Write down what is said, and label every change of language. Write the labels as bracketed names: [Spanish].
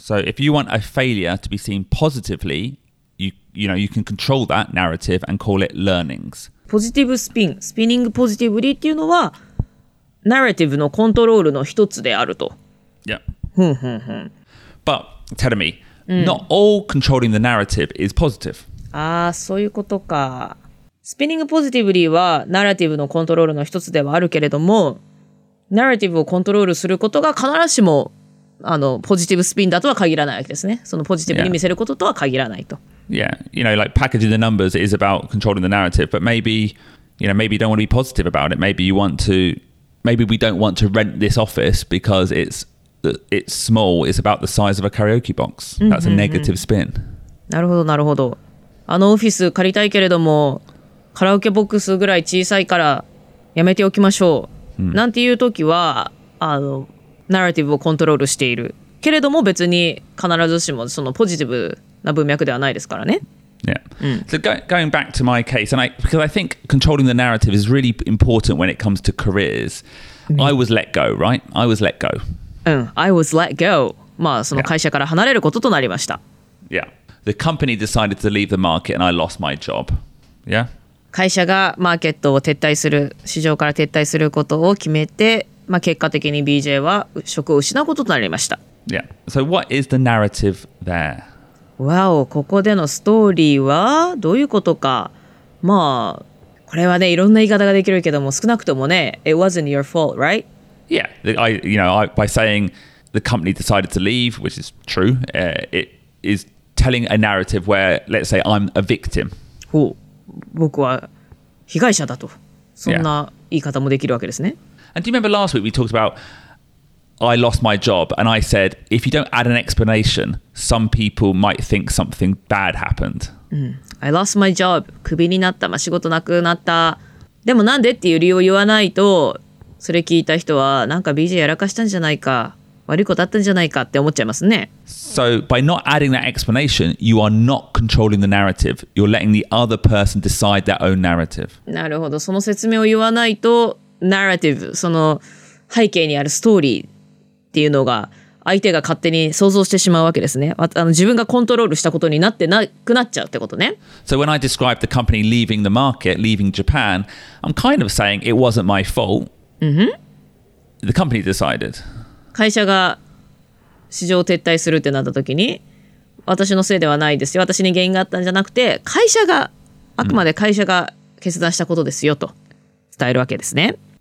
[English] So, if you want a failure to be seen positively, you know, you can control that narrative and call it learnings. [Japanese] ポジティブスピン、スピニングポジティブリーっていうのは、ナラティブのコントロールの一つであると。 [English] Yeah. But tell me, not all controlling the narrative is positive. [Japanese] Ah, そういうことか。 [English] Spinning positively [Japanese] はナラティブのコントロールの一つではあるけれども、ナラティブをコントロールすることが必ずしもあのポジティブスピンだとは限らないわけですね。そのポジティブに見せることとは限らないと。 [English] Yeah, you know, like packaging the numbers is about controlling the narrative, but maybe, you know, maybe you don't want to be positive about it. Maybe you want to, maybe we don't want to rent this office because it's small, it's about the size of a karaoke box. That's a negative spin. [Japanese] なるほど、なるほど。あのオフィス借りたいけれども、カラオケボックスぐらい小さいからやめておきましょう。なんていうときは、あの、ナラティブをコントロールしている。けれども別に必ずしもそのポジティブな文脈ではないですからね。 [English] Yeah. So going back to my case, because I think controlling the narrative is really important when it comes to careers. I was let go, right? I was let go. I was let go. [Japanese] まあその会社から離れることとなりました。 [English] Yeah. The company decided to leave the market and I lost my job. Yeah. [Japanese] 会社がマーケットを撤退する、市場から撤退することを決めて、まあ結果的に BJ は職を失うこととなりました。 [English] Yeah. So what is the narrative there? Wow. [Japanese] ここでのストーリーはどういうことか。まあこれはね、いろんな言い方ができるけども、少なくともね、 [English] It wasn't your fault, right? Yeah, I by saying the company decided to leave, which is true, it is telling a narrative where, let's say, I'm a victim. [Japanese] ほう、僕は被害者だと。そんな言い方もできるわけですね。 [English] Yeah. And do you remember last week we talked about I lost my job and I said, if you don't add an explanation, some people might think something bad happened. I lost my job. [Japanese] クビになった。まあ、仕事なくなった。でもなんでっていう理由を言わないと、それ聞いた人はなんか BJ やらかしたんじゃないか、悪いことあったんじゃないかって思っちゃいますね。 [English] So by not adding that explanation, you are not controlling the narrative. You're letting the other person decide their own narrative. [Japanese] なるほど。その説明を言わないと、ナラティブ、その背景にあるストーリーっていうのが相手が勝手に想像してしまうわけですね。あの、自分がコントロールしたことになってなくなっちゃうってことね。 [English] So when I describe the company leaving the market, leaving Japan, I'm kind of saying it wasn't my fault. The company decided. [Japanese] 会社が市場を撤退するってなった時に、私のせいではないですよ。私に原因があったんじゃなくて、会社が、あくまで会社が決断したことですよと伝えるわけですね。